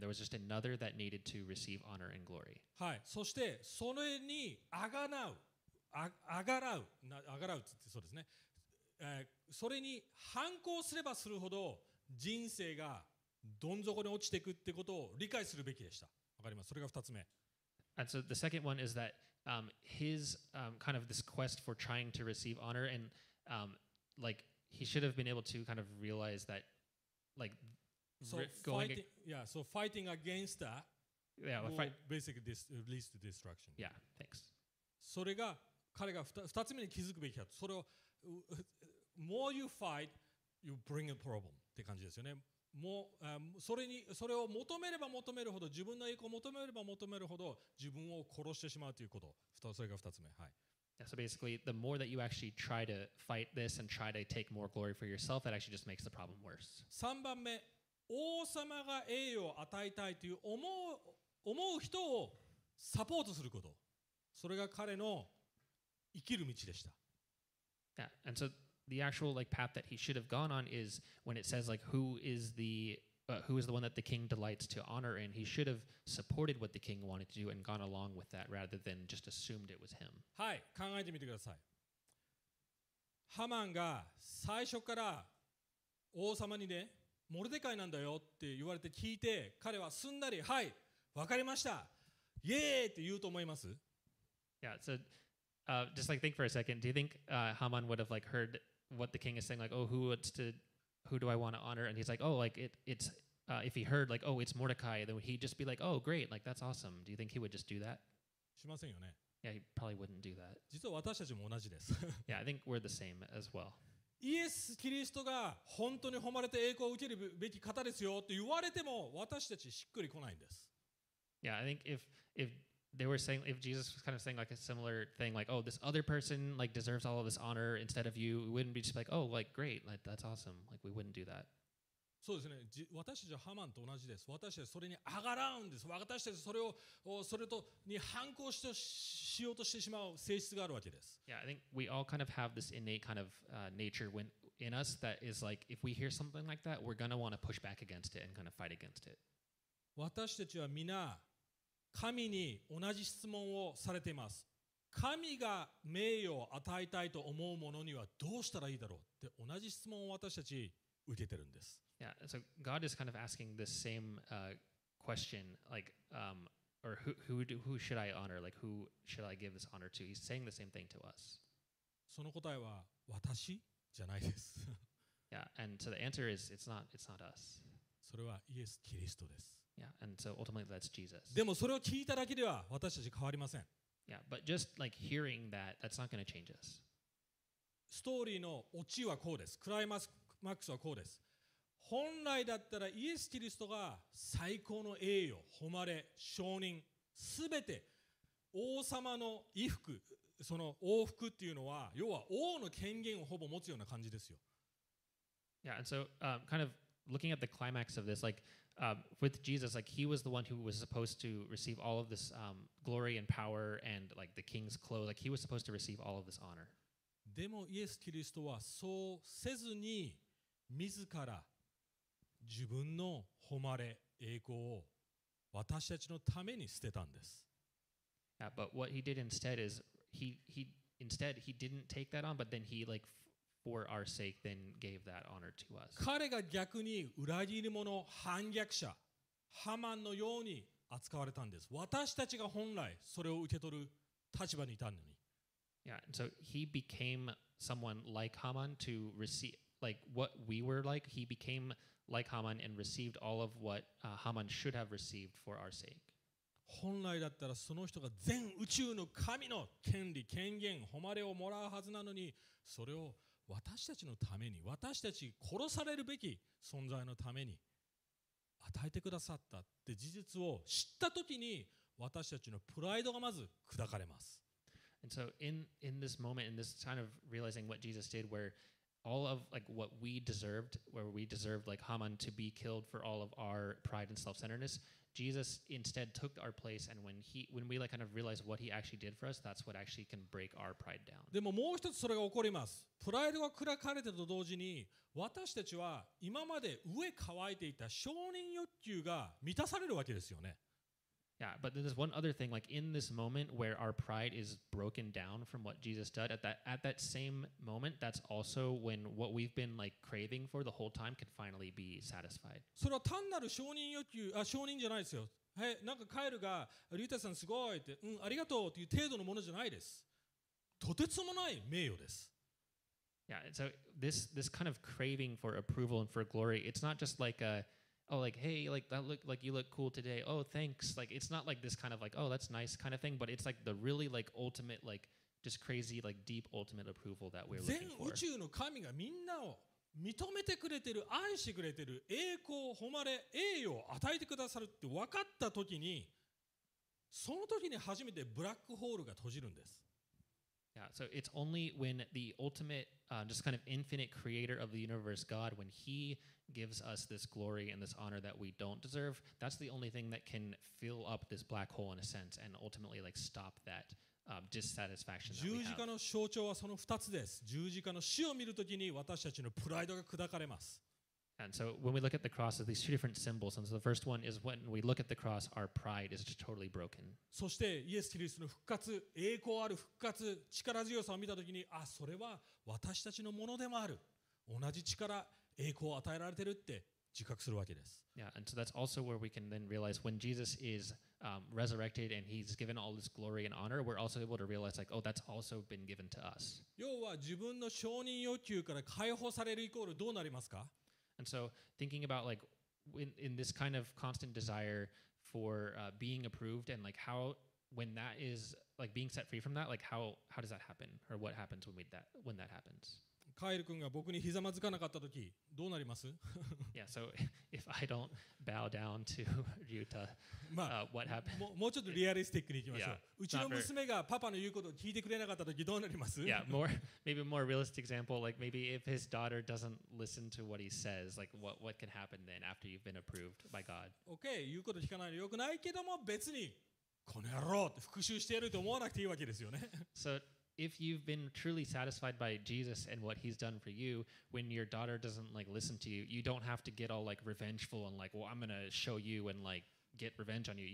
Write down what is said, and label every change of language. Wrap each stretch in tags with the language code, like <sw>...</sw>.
<en>There was just another that needed to receive honor and glory.</en> <ja>はい。そして、それにあがなう、あがらう、あがらうってそうですね。それに反抗すればするほど人生がどん底に落ちていくってことを理解するべきでした。わかります。それが二つ目。</ja> <en>And so the second one is that his kind of this quest for trying to receive honor and like he should have been able to kind of realize that, like, so going fighting against that, yeah, will fight. Basically this leads to destruction. Yeah, thanks.</en> <ja>それが彼が二つ目に気づくべきだと。それを</ja> <en>more you fight, you bring a problem</en> <ja>って感じですよね。それを求めれば求めるほど、自分の栄光を求めれば求めるほど、自分を殺してしまうということ。それが二つ目。はい。</ja> <en>Yeah, so basically, the more that you actually try to fight this and try to take more glory for yourself, that actually just makes the problem worse.</en> <ja>三番目、王様が栄誉を与えたいという思う人をサポートすること。それが彼の生きる道でした。</ja> <en>Yeah, and so the actual like path that he should have gone on is when it says like who is the one that the king delights to honor, and he should have supported what the king wanted to do and gone along with that rather than just assumed it was him.</en> <ja>はい、考えてみてください。ハマンが最初から王様にね、モルデカイなんだよって言われて聞いて、彼はすんなり、はい、わかりました。イエーって言うと思います。</ja> <en>Yeah, so just like think for a second. Do you think Haman would have like heard what the king is saying, like, oh, who do I want to honor? And he's like, oh, like it's if he heard like, oh, it's Mordecai, then he'd just be like, oh, great, like that's awesome. Do you think he would just do that?</en> <ja>しませんよね。</ja> <en>Yeah, he probably wouldn't do that.</en> <ja>実は私たちも同じです。</ja> <en>Yeah, I think we're the same as well.</en> <ja>イエス・キリストが本当に誉れて栄光を受けるべき方ですよって言われても私たちしっくり来ないんです。</ja> <en>Yeah, I think if they were saying, if Jesus was kind of saying like a similar thing, like, oh, this other person like deserves all of this honor instead of you, we wouldn't be just like, oh, like, great, like, that's awesome. Like, we wouldn't do that.</en> <ja>そうですね。私たちはハマンと同じです。私たちはそれに上がらんです。私たちはそれに反抗してしようとしてしまう性質があるわけです。</ja> <en>Yeah, I think we all kind of have this innate kind of nature in us that is like, if we hear something like that, we're going to want to push back against it and kind of fight against it.</en> <ja>私たちは皆、神に同じ質問をされています。神が名誉を与えたいと思う者にはどうしたらいいだろうって同じ質問を私たち受けてるんです。</ja> <en>Yeah, so God is kind of asking the same question, like, or who should I honor? Like, who should I give this honor to? He's saying the same thing to us.</en> <ja>その答えは私じゃないです。</ja> <en>Yeah, and so the answer is it's not us.</en> <ja>それはイエス・キリストです。</ja> <en>Yeah, and so ultimately that's Jesus.</en> <ja>でもそれを聞いただけでは私たち変わりません。</ja> <en>Yeah, but just like hearing that, that's not going to change us.</en> <ja>ストーリーのオチはこうです。クライマックスはこうです。本来だったらイエス・キリストが最高の栄誉、誉れ、承認、すべて王様の衣服、その王服っていうのは、要は王の権限をほぼ持つような感じですよ。</ja> <en>Yeah, and so kind of looking at the climax of this, like,with Jesus, like he was the one who was supposed to receive all of this glory and power and like the king's clothes, like he was supposed to receive all of this honor.</en> <ja>でもイエス・キリストはそうせずに自ら自分の誉れ栄光を私たちのために捨てたんです。</ja> <en>Yeah, but what he did instead is he didn't take that on, but then he like for our sake, then gave that honor to us.</en> <ja>彼が逆に裏切り者、反逆者、ハマンのように扱われたんです。私たちが本来それを受け取る立場にいたのに。</ja> <en>Yeah, so he became someone like Haman to receive, like what we were like, he became like Haman and received all of what Haman should have received for our sake.</en> <ja>本来だったらその人が全宇宙の神の権利、権限、誉れをもらうはずなのに、それを私たちのために、私たち殺されるべき存在のために与えてくださったって事実を知ったときに、私たちのプライドがまず砕かれます。</ja> <en>And so in this moment, in this kind of realizing what Jesus did, where all of like what we deserved, where we deserved like Haman to be killed for all of our pride and self-centeredness, Jesus instead took our place. And when we like kind of realize what he actually did for us, that's what actually can break our pride down.</en> <ja>でももう一つそれが起こります。プライドが砕かれてと同時に、私たちは今まで飢え渇いていた承認欲求が満たされるわけですよね。</ja> <en>Yeah, but there's one other thing. Like in this moment where our pride is broken down from what Jesus did, at that same moment, that's also when what we've been like craving for the whole time can finally be satisfied.</en> <ja>それは単なる承認欲求、あ、承認じゃないですよ。はい、なんかカエルがリュータさんすごいって、うん、ありがとうっていう程度のものじゃないです。とてつもない名誉です。</ja> <en>Yeah, so this kind of craving for approval and for glory, it's not just like a, oh, like, hey, like, that look, like, you look cool today. Oh, thanks. Like, it's not like this kind of like, oh, that's nice kind of thing, but it's like the really, like, ultimate, like, just crazy, like, deep ultimate approval that we're looking for.</en> <ja>全宇宙の神がみんなを認めてくれてる、愛してくれてる、栄光、誉れ、栄誉を与えてくださるって分かった時に、その時に初めてブラックホールが閉じるんです。</ja> <en>Yeah, so it's only when the ultimate, just kind of infinite creator of the universe, God, when he gives us this glory and this honor that we don't deserve, that's the only thing that can fill up this black hole in a sense and ultimately like stop that dissatisfaction that we have.</en> <ja>十字架の象徴はその二つです。十字架の死を見るときに私たちのプライドが砕かれます。</ja> <en>And so when we look at the cross, there's these two different symbols. And so the first one is when we look at the cross, our pride is just totally broken.</en> <ja>そしてイエス・キリストの復活、栄光ある復活、力強さを見たときに、あ、それは私たちのものでもある。同じ力、栄光を与えられてるって自覚するわけです。</ja> <en>Yeah, and so that's also where we can then realize when Jesus is resurrected and he's given all this glory and honor, we're also able to realize like, oh, that's also been given to us.</en> <ja>要は自分の承認欲求から解放されるイコールどうなりますか？</ja> <en>And so thinking about like in this kind of constant desire for being approved and like how when that is like being set free from that, like how does that happen or what happens when that happens?</en> <ja>カイル君が僕にひざまずかなかった時どうなります</ja> <en>Yeah, so if I don't bow down to Ryuta, what happens?</en> <ja>もうちょっとリアリスティックにいきましょう。うちの娘がパパの言うことを聞いてくれなかった時どうなります</ja> <en>Yeah, maybe a more realistic example, like maybe if his daughter doesn't listen to what he says, like what can happen then after you've been approved by God?</en> <ja>Okay, 言うこと聞かないでよくないけども別にこの野郎って復讐してやると思わなくていいわけですよね。</ja> <en>So,If you've been truly satisfied by Jesus and what he's done for you, when your daughter doesn't like listen to you, you don't have to get all like revengeful and like, well, I'm going to show you and like get revenge on you.</en>